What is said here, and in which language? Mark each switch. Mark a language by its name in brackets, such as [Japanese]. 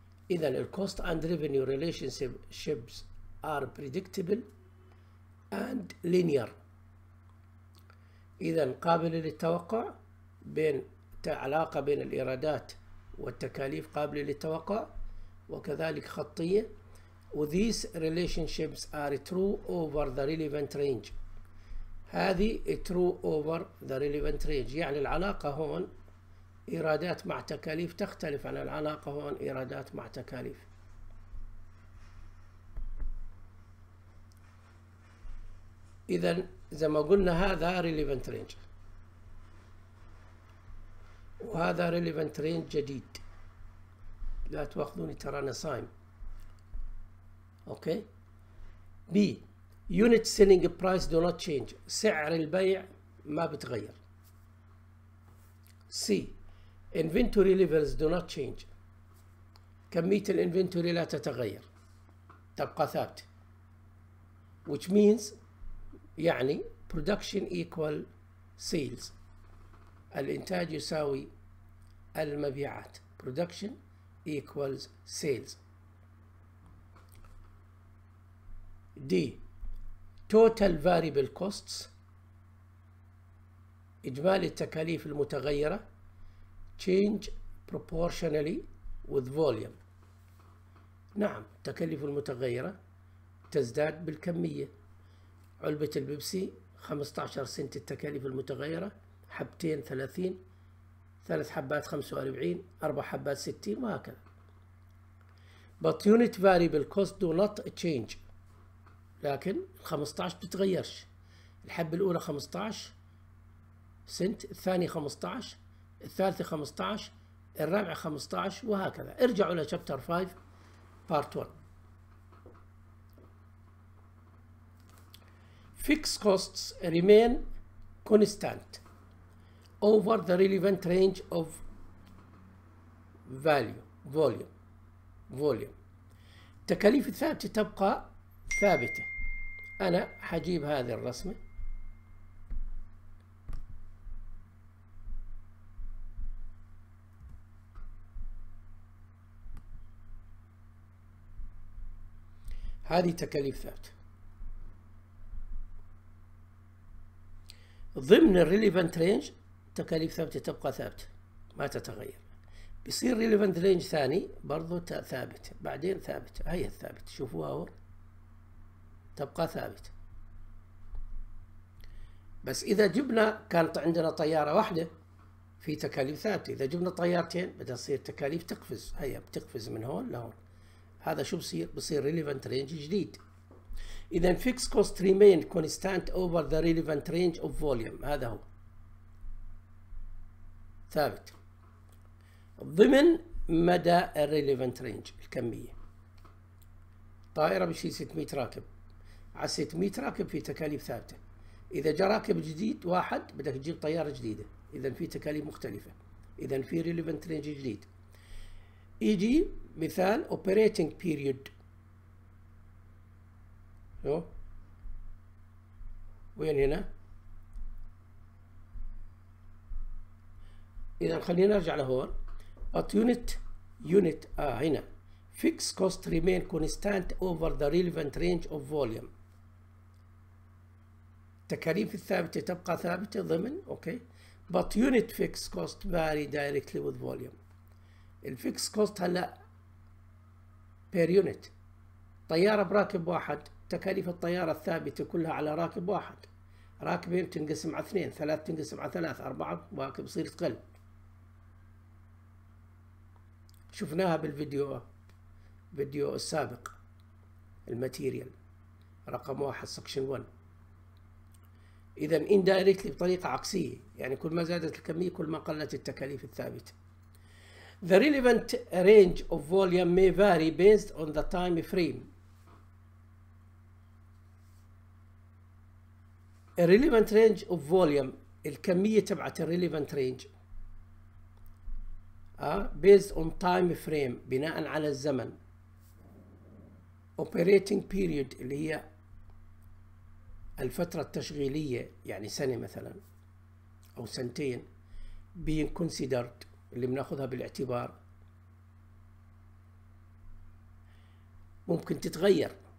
[English] إذن the cost and revenue relationships are predictable and linear. [Arabic] إذن قابل للتوقع، بين علاقة بين الإيرادات والتكاليف قابل للتوقع وكذلك خطية. [English] These relationships are true over the relevant range. [Arabic] هذه [English] true over the relevant range، [Arabic] يعني العلاقة هون إيرادات مع تكاليف تختلف عن العلاقة هون إيرادات مع تكاليف. إذا زي ما قلنا هذا relevant range وهذا relevant range جديد، لا تأخذوني ترى أنا صايم. أوكي. B [English] unit selling price do not change. [Arabic] سعر البيع ما بتغير. [English] C. inventory levels do not change. [Arabic] كمية الانفنتوري لا تتغير. تبقى ثابت. [English] Which means يعني production equal sales. [Arabic] الانتاج يساوي المبيعات. [English] Production equals sales. D. total variable costs. [Arabic] إجمالي التكاليف المتغيرة. [English] Change proportionally with volume. [Arabic] نعم، التكاليف المتغيرة تزداد بالكمية. علبة البيبسي 15 سنت التكاليف المتغيرة، حبتين 30، ثلاث حبات 45، أربع حبات 60، وهكذا. [English] But unit variable cost do not change. [Arabic] لكن ال 15 بتتغيرش. الحبة الأولى 15 سنت، الثانية 15، الثالثة 15، الرابعة 15، وهكذا. ارجعوا إلى chapter 5 part 1. [English] Fixed costs remain constant over the relevant range of value, volume. [Arabic] التكاليف الثابتة تبقى ثابتة. أنا حجيب هذه الرسمة. هذه تكاليف ثابتة. ضمن الريليفنت رينج تكاليف ثابتة تبقى ثابتة ما تتغير. بيصير ريليفنت رينج ثاني برضو ثابت، بعدين ثابت، هي الثابت شوفوها هو. تبقى ثابتة. بس إذا جبنا، كانت عندنا طيارة واحدة في تكاليف ثابتة، إذا جبنا طيارتين بدها تصير تكاليف تقفز، هي بتقفز من هون لهون. هذا شو بصير؟ بصير relevant range جديد. إذا [English] fixed cost remain constant over the relevant range of volume، [Arabic] هذا هو ثابت ضمن مدى relevant range الكمية. طائرة بشيل 600 راكب، على 600 راكب في تكاليف ثابتة. إذا جاء راكب جديد واحد بدك تجيب طيارة جديدة، إذا في تكاليف مختلفة، إذا في relevant range جديد. يجي مثال operating period. شو؟ وين هنا؟ إذا خلينا نرجع لهون. [English] But unit هنا. Fixed cost remain constant over the relevant range of volume. [Arabic] تكاليف الثابتة تبقى ثابتة ضمن، اوكي. [English] But unit fixed cost vary directly with volume. [Arabic] الفيكس كوست هلا بير يونت. طياره براكب واحد، تكاليف الطياره الثابته كلها على راكب واحد. راكبين تنقسم على اثنين، ثلاث تنقسم على ثلاث، اربعه واكب بصير تقل. شفناها بالفيديو، فيديو السابق الماتيريال رقم واحد سكشن 1. اذا اندايركتلي بطريقه عكسيه، يعني كل ما زادت الكميه كل ما قلت التكاليف الثابته. [English] The relevant range of volume may vary based on the time frame. A relevant range of volume، [Arabic] الكمية تبعت [English] relevant range، based on time frame، [Arabic] بناء على الزمن. Operating period اللي هي الفترة التشغيلية، يعني سنة مثلا أو سنتين. [English] Being considered [Arabic] اللي بناخذها بالاعتبار، ممكن تتغير.